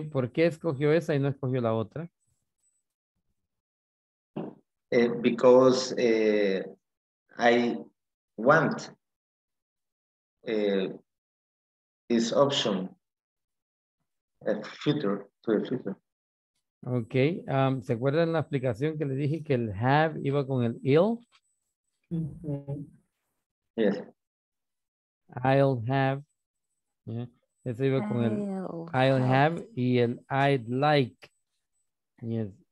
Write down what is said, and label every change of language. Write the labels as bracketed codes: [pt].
[es] ¿Por qué escogió esa y no escogió la otra? [en] Because I want this option to the future. Okay. [es] ¿Se acuerdan la explicación que le dije que el have iba con el ill? [en] Yes. I'll have. Yeah. [es] Eso iba con el [en] I'll have y el I'd like. Yes.